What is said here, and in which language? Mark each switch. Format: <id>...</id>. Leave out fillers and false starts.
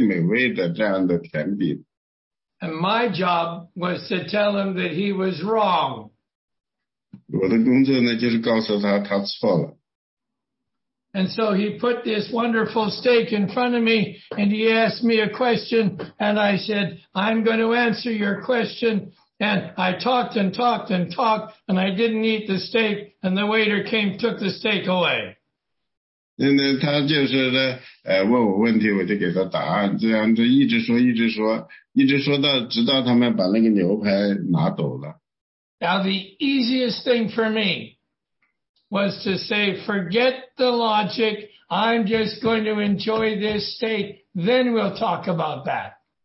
<en>And my job was to tell him that he was wrong.</en> <zh>我的工作呢，就是告诉他他错了。</zh> <en>And so he put this wonderful steak in front of me, and he asked me a question, and I said, I'm going to answer your question. And I talked and talked and talked, and I didn't eat the steak, and the waiter came, took the steak away.</en> <zh>那他就是问题我就给他答案，这样就一直说，一直说，一直说到直到他们把那个牛排拿走了。</zh> <en>Now the easiest thing for me was to say, forget the logic, I'm just going to enjoy this steak, then we'll talk about that.</en>